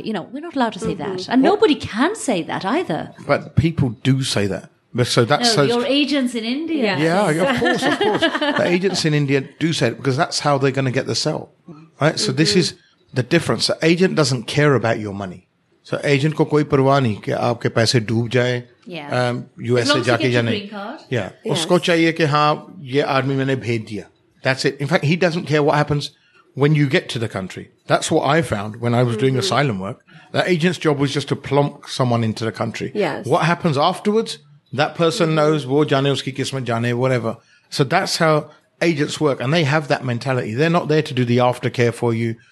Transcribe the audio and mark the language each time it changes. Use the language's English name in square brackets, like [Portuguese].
[English] You know, we're not allowed to say that. And nobody can say that either. But people do say that. Your agents in India. Yeah, of course. The agents in India do say it because that's how they're going to get the sale. Right? Mm-hmm. So this is the difference. The agent doesn't care about your money. [Hindi] So agent को कोई परवाह नहीं कि आपके पैसे डूब जाए. [English] Yeah. [Hindi] USA जाके jaane. [English] Yeah. [Hindi] उसको चाहिए कि हाँ, ये आदमी मैंने भेज दिया. [English] That's it. In fact, he doesn't care what happens when you get to the country. That's what I found when I was doing asylum work. That agent's job was just to plonk someone into the country. Yes. What happens afterwards, that person knows, [Hindi] wo jaane uski kismet jaane, [English] whatever. So that's how agents work. And they have that mentality. They're not there to do the aftercare for you.